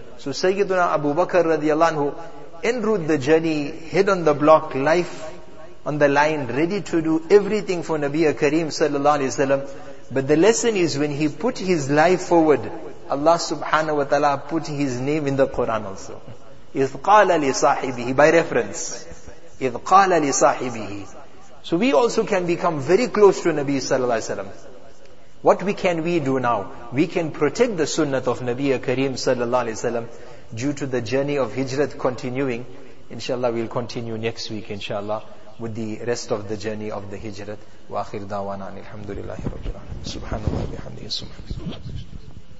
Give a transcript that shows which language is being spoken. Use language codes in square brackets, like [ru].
[en] So Sayyiduna Abu Bakr radiallahu anhu, en route the journey, head on the block, life on the line, ready to do everything for Nabi Kareem Sallallahu Alaihi Wasallam. But the lesson is, when he put his life forward, Allah subhanahu wa ta'ala put his name in the Quran also. [ar] إِذْ قَالَ لِصَاحِبِهِ, [en] by reference. [ar] إِذْ قَالَ لِصَاحِبِهِ. [en] So we also can become very close to Nabi Sallallahu Alaihi Wasallam. What can we do now? We can protect the sunnah of Nabi Kareem Sallallahu Alaihi Wasallam due to the journey of hijrat continuing. Inshallah, we'll continue next week, inshallah, with the rest of the journey of the hijrat. [ar] وَآخِرْ دَعْوَانَا عَنِ الْحَمْدُ لِلَّهِ رَبِّ الْعَالَمِينَ سُبْحَانَ اللَّهِ [en] بِحَمْدِهِ سُبْحَانَ اللَّهِ